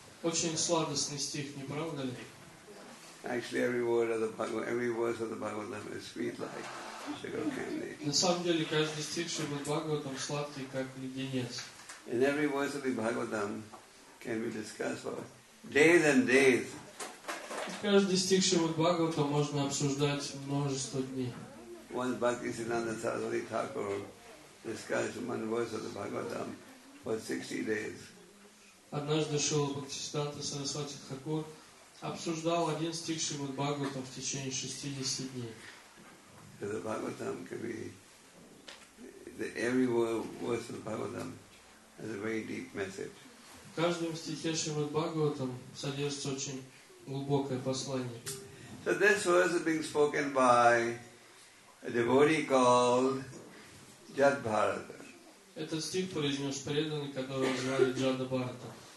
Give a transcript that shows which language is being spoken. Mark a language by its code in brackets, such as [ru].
[ru] Очень сладостный стих, не правда ли? [en] Actually, every verse of the Bhagavad Gita is sweet like sugar candy. [ru] На самом деле каждый стих Шримад-Бхагаватам сладкий как леденец. [en] And every verse of the Bhagavad Gita can be discussed for days and days. [ru] Каждый стих Шримад-Бхагаватам можно обсуждать множество дней. [en] Once Bhaktisiddhanta Saraswati Thakur discussed one verse of the Bhagavad Gita for 60 days. [ru] Однажды Шрила Бхактисиддханта Сарасвати Тхакур обсуждал один стих Шримад-Бхагаватам в течение 60 дней. [en] So the Bhagavatam can be the every verse of the Bhagavatam has a very deep message. [ru] В каждом стихе Шримад-Бхагаватам содержится очень глубокое послание. [en] So this verse is being spoken by a devotee called Jada Bharata. [ru] Этот стих произнес преданный, которого звали Джада Бхарата.